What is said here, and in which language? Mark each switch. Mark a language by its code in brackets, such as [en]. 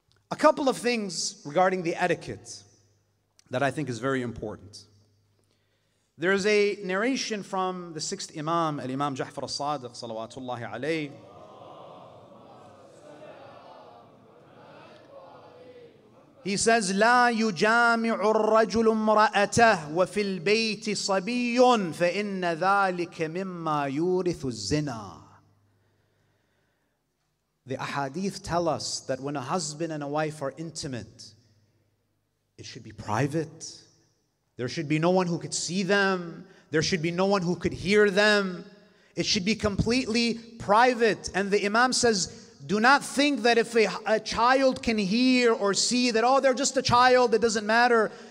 [en] A couple of things regarding the etiquette that I think is very important. There is a narration from the sixth Imam, Al-Imam Ja'far al-Sadiq, salawatullahi alayhi. He says, [ar] لا يجامع الرجل امرأته وفي البيت صبي فإن ذلك مما يورث الزنا. [en] The ahadith tell us that when a husband and a wife are intimate, it should be private. There should be no one who could see them. There should be no one who could hear them. It should be completely private. And the Imam says, do not think that if a child can hear or see that, oh, they're just a child, it doesn't matter.